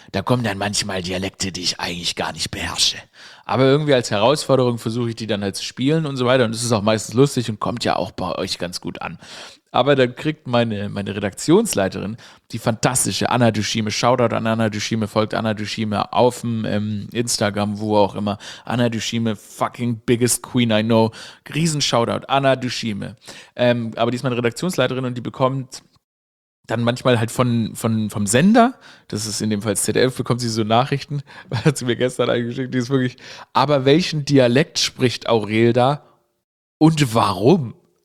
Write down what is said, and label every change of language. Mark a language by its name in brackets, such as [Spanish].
[German] Da kommen dann manchmal Dialekte, die ich eigentlich gar nicht beherrsche. Aber irgendwie als Herausforderung versuche ich die dann halt zu spielen und so weiter. Und es ist auch meistens lustig und kommt ja auch bei euch ganz gut an. Aber dann kriegt meine Redaktionsleiterin, die fantastische Anna Duschime, Shoutout an Anna Duschime, folgt Anna Duschime auf dem Instagram, wo auch immer. [English] Anna Duschime, fucking biggest queen I know. [German] Riesen Shoutout, Anna Duschime. Aber die ist meine Redaktionsleiterin und die bekommt dann manchmal halt vom Sender, das ist in dem Fall ZDF, bekommt sie so Nachrichten, hat sie mir gestern eingeschickt, die ist wirklich, aber welchen Dialekt spricht Aurel da und warum?